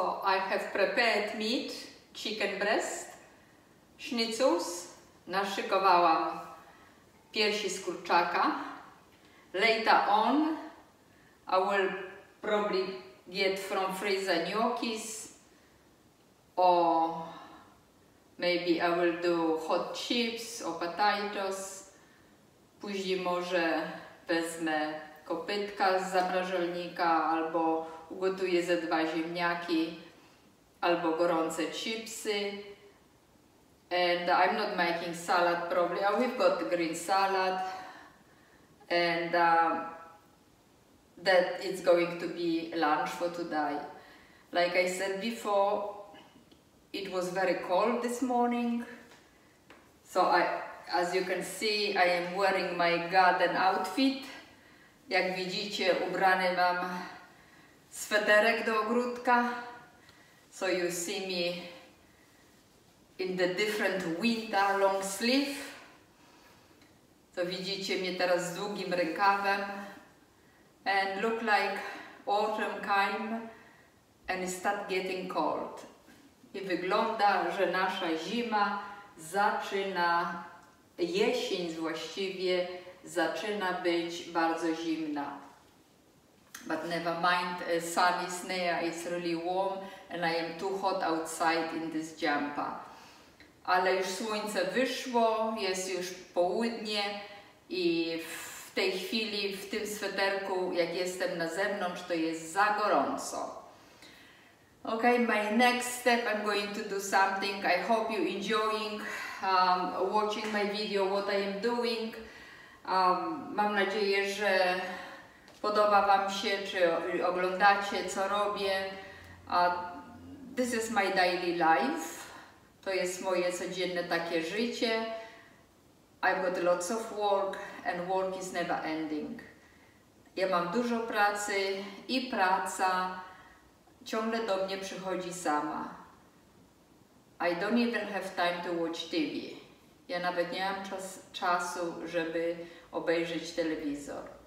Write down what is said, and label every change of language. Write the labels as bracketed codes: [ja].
[en] I have prepared meat, chicken breast, schnitzels. [pl] Naszykowałam piersi z kurczaka. [en] Later on, I will probably get from freezer gnocchis, or maybe I will do hot chips or potatoes. [pl] Później może wezmę kopytka z zamrażalnika, albo ugotuję ze dwa ziemniaki. Albo gorące chipsy. [en] And I'm not making salad probably. Oh, we've got the green salad. And that is going to be lunch for today. Like I said before, it was very cold this morning. So I, as you can see, I am wearing my garden outfit. [pl] Jak widzicie, ubrany mam sweterek do ogródka. [en] So you see me in the different winter long sleeve. [pl] So widzicie mnie teraz z długim rękawem. [en] And look like autumn came and it start getting cold. [pl] I wygląda, że nasza zima zaczyna, jesień właściwie zaczyna być bardzo zimna. [en] But never mind, sun is near, it's really warm and I am too hot outside in this jumper. [pl] Ale już słońce wyszło, jest już południe i w tej chwili w tym swetrze szwederku, jak jestem na zewnątrz, to jest za gorąco. [en] Okay, my next step, I'm going to do something. I hope you're enjoying watching my video, what I am doing. [pl] Mam nadzieję, że podoba wam się, czy oglądacie, co robię. [en] This is my daily life. [pl] To jest moje codzienne takie życie. [en] I've got lots of work and work is never ending. [pl] Ja mam dużo pracy i praca ciągle do mnie przychodzi sama. [en] I don't even have time to watch TV. [pl] Ja nawet nie mam czasu, żeby obejrzeć telewizor.